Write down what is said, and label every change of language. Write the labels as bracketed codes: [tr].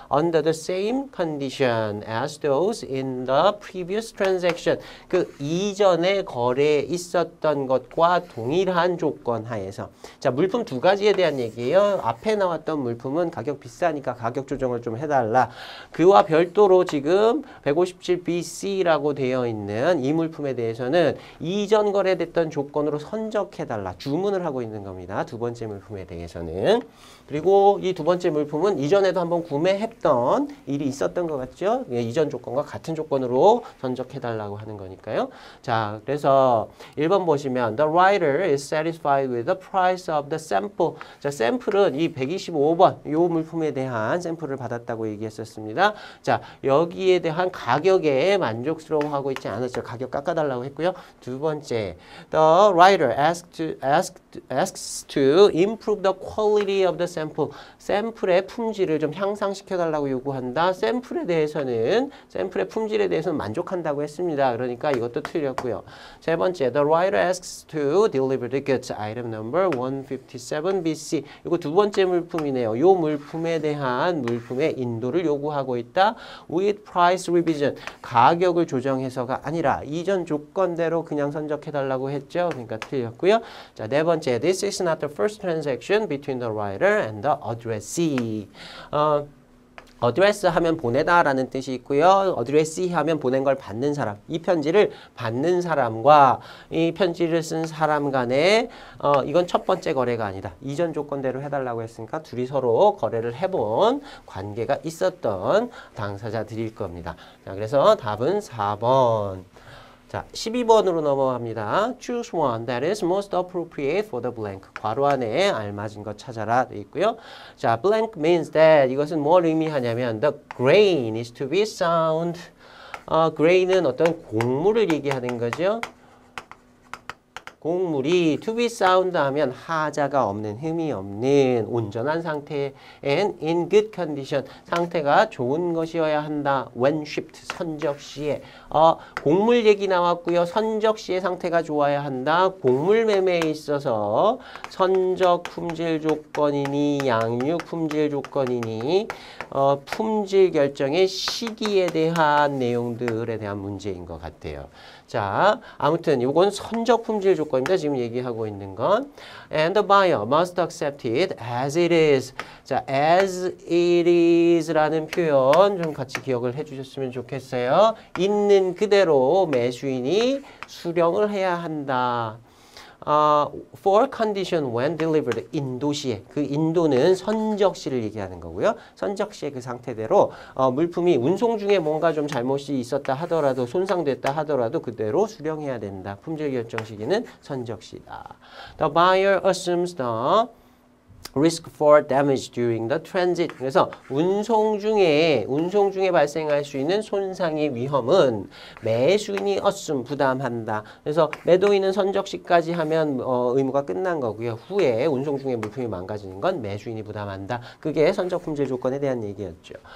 [en] Under the same condition as those in the previous transaction. [ko] 그 이전에 거래에 있었던 것과 동일한 조건 하에서. 자, 물품 두 가지에 대한 얘기예요. 앞에 나왔던 물품은 가격 비싸니까 가격 조정을 좀 해달라. 그와 별도로 지금 157BC라고 되어 있는 이 물품에 대해서는 이전 거래됐던 조건으로 선적해달라. 주문을 하고 있는 겁니다. 두 번째 물품. 물품에 대해서는. 그리고 이 두 번째 물품은 이전에도 한번 구매했던 일이 있었던 것 같죠? 예, 이전 조건과 같은 조건으로 선적해달라고 하는 거니까요. 자, 그래서 1번 보시면 [en] The writer is satisfied with the price of the sample. [ko] 자, 샘플은 이 125번 이 물품에 대한 샘플을 받았다고 얘기했었습니다. 자, 여기에 대한 가격에 만족스러워하고 있지 않았죠. 가격 깎아달라고 했고요. 두 번째, [en] The writer asks to improve the quality of the sample. [ko] 샘플의 품질을 좀 향상시켜달라고 요구한다. 샘플에 대해서는, 샘플의 품질에 대해서는 만족한다고 했습니다. 그러니까 이것도 틀렸고요. 세 번째, [en] The writer asks to deliver the goods. Item number 157BC. [ko] 이거 두 번째 물품이네요. 요 물품에 대한 물품의 인도를 요구하고 있다. [en] With price revision. [ko] 가격을 조정해서가 아니라 이전 조건대로 그냥 선적해달라고 했죠. 그러니까 틀렸고요. 자, 네 번째, [en] This is not the first transaction between the writer and the addressee. [ko] Address 하면 보내다 라는 뜻이 있고요. Addressee 하면 보낸 걸 받는 사람. 이 편지를 받는 사람과 이 편지를 쓴 사람 간에 이건 첫 번째 거래가 아니다. 이전 조건대로 해달라고 했으니까 둘이 서로 거래를 해본 관계가 있었던 당사자들일 겁니다. 자, 그래서 답은 4번. 자, 12번으로 넘어갑니다. [en] Choose one that is most appropriate for the blank. [ko] 괄호 안에 알맞은 것 찾아라 되어 있고요. [en] 자, blank means that [ko] 이것은 뭘 의미하냐면 [en] the grain is to be sound. [ko] Grain은 어떤 곡물을 얘기하는 거죠. 곡물이 [en] to be sound [ko] 하면 하자가 없는, 흠이 없는, 온전한 상태 [en] and in good condition, [ko] 상태가 좋은 것이어야 한다. [en] When shipped, [ko] 선적 시에. 곡물 얘기 나왔고요. 선적 시에 상태가 좋아야 한다. 곡물 매매에 있어서 선적 품질 조건이니 양육 품질 조건이니 품질 결정의 시기에 대한 내용들에 대한 문제인 것 같아요. 자, 아무튼 이건 선적 품질 조건입니다. 지금 얘기하고 있는 건. [en] And the buyer must accept it as it is. [ko] 자, [en] as it is [ko] 라는 표현 좀 같이 기억을 해주셨으면 좋겠어요. 있는 그대로 매수인이 수령을 해야 한다. [en] For condition when delivered, [ko] 인도시에. 그 인도는 선적시를 얘기하는 거고요. 선적시의 그 상태대로 물품이 운송 중에 뭔가 좀 잘못이 있었다 하더라도, 손상됐다 하더라도 그대로 수령해야 된다. 품질 결정 시기는 선적시다. [en] The buyer assumes the risk for damage during the transit. [ko] 그래서 운송 중에 발생할 수 있는 손상의 위험은 매수인이 assume, 부담한다. 그래서 매도인은 선적시까지 하면 의무가 끝난 거고요. 후에 운송 중에 물품이 망가지는 건 매수인이 부담한다. 그게 선적 품질 조건에 대한 얘기였죠.